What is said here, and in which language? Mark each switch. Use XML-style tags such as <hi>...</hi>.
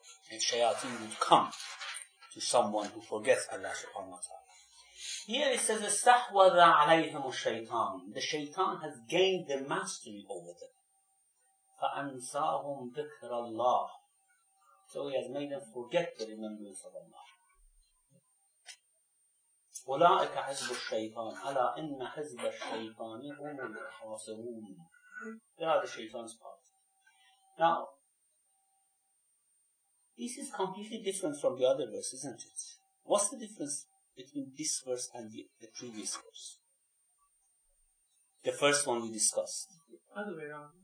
<en>And shayateen would come to someone who forgets Allah subhanahu wa ta'ala. Here it says,</en> <ar>اَسْتَحْوَذَ عَلَيْهِمُ الشَّيْطَانِ.</ar> <en>The shaytan has gained the mastery over them.</en> <ar>فَأَنْسَاهُمْ ذِكْرَ اللَّهِ.</ar> <en>So he has made them forget the remembrance of Allah.</en> <ar>أولئك حزب الشيطان ألا إن حزب الشيطان هم الخاسرون.</ar> <en>They are the shaitan's part. Now, this is completely different from the other verse, isn't it? What's the difference between this verse and the previous verse? The first one we discussed. Other way around.</en>